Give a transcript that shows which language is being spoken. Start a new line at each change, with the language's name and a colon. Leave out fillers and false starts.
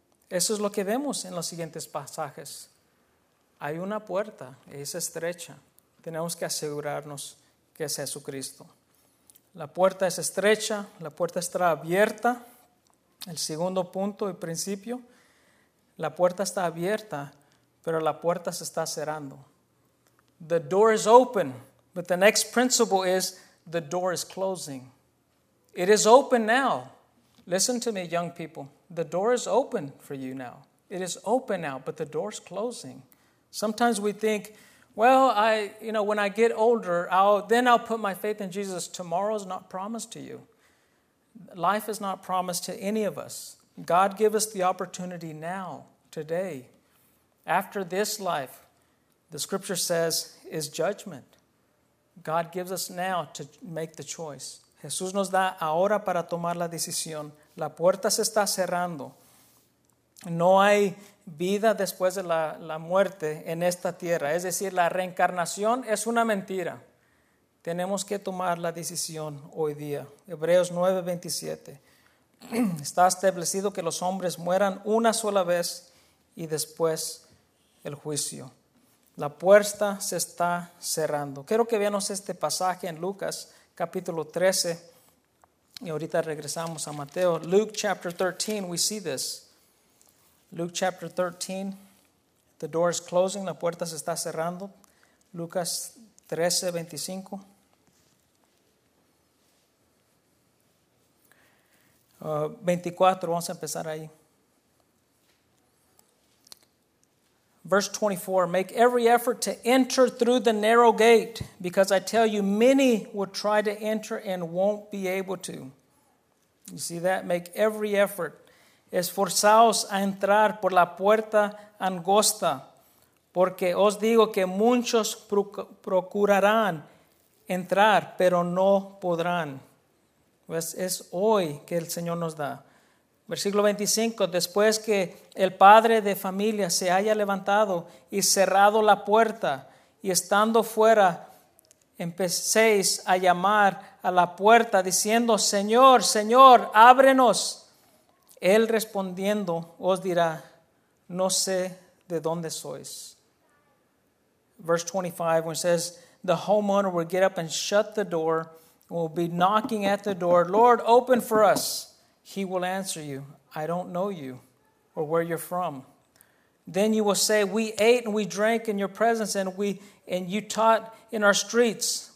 Spanish: Eso es lo que vemos en los siguientes pasajes. Hay una puerta, es estrecha. Tenemos que asegurarnos que es Jesucristo. La puerta es estrecha, la puerta está abierta. El segundo punto y principio, la puerta está abierta, pero la puerta se está cerrando.
English: The door is open, but the next principle is the door is closing. It is open now. Listen to me, young people. The door is open for you now. It is open now, but the door is closing. Sometimes we think, well, when I get older, I'll put my faith in Jesus. Tomorrow is not promised to you. Life is not promised to any of us. God give us the opportunity now, today. After this life, the scripture says, is judgment. God gives us now to make the choice.
Spanish: Jesús nos da ahora para tomar la decisión. La puerta se está cerrando. No hay vida después de la muerte en esta tierra. Es decir, la reencarnación es una mentira. Tenemos que tomar la decisión hoy día. Hebreos 9:27. Está establecido que los hombres mueran una sola vez y después el juicio. La puerta se está cerrando. Quiero que veamos este pasaje en Lucas capítulo 13. Y ahorita regresamos a Mateo.
English: Luke chapter 13, we see this. Luke chapter 13, the door is closing,
Spanish: la puerta se está cerrando. Lucas 13:25. Vamos a empezar ahí.
English: Verse 24, make every effort to enter through the narrow gate, because I tell you, many will try to enter and won't be able to. You see that? Make every effort.
Spanish: Esforzaos a entrar por la puerta angosta, porque os digo que muchos procurarán entrar, pero no podrán. Pues es hoy que el Señor nos da. Versículo 25, después que el padre de familia se haya levantado y cerrado la puerta, y estando fuera, empecéis a llamar a la puerta, diciendo, Señor, Señor, ábrenos. Él respondiendo os dirá, no sé de dónde sois.
English: Verse 25, when it says, the homeowner will get up and shut the door, and will be knocking at the door, Lord, open for us. He will answer you, I don't know you or where you're from. Then you will say, we ate and we drank in your presence and you taught in our streets.